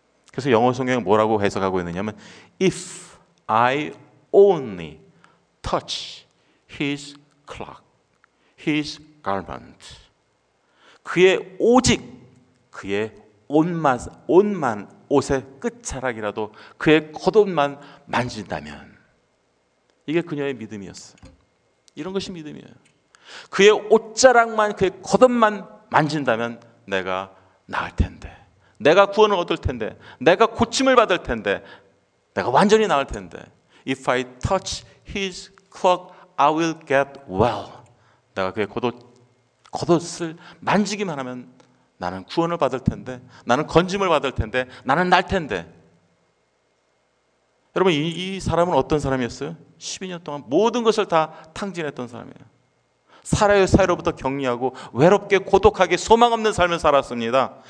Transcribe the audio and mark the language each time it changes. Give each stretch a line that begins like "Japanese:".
Korean: 그래서 영어 성경이 뭐라고 해석하고 있느냐면
English: If I only touch his cloak, his garment,
Korean: 그의 오직 그의 옷만 옷의 끝자락이라도 그의 겉옷만 만진다면. 이게 그녀의 믿음이었어요. 이런 것이 믿음이에요. 그의 옷자락만 그의 겉옷만 만진다면 내가 나을 텐데, 내가 구원을 얻을 텐데, 내가 고침을 받을 텐데, 내가 완전히 나을 텐데.
English: If I touch his cloak, I will get well.
Korean: 내가 그의 겉옷을 만지기만 하면 나는 구원을 받을 텐데, 나는 건짐을 받을 텐데, 나는 날 텐데. 여러분 이 사람은 어떤 사람이었어요? 12년 동안 모든 것을 다 탕진했던 사람이에요. 살아요 사회로부터 격리하고 외롭게 고독하게 소망 없는 삶을 살았습니다.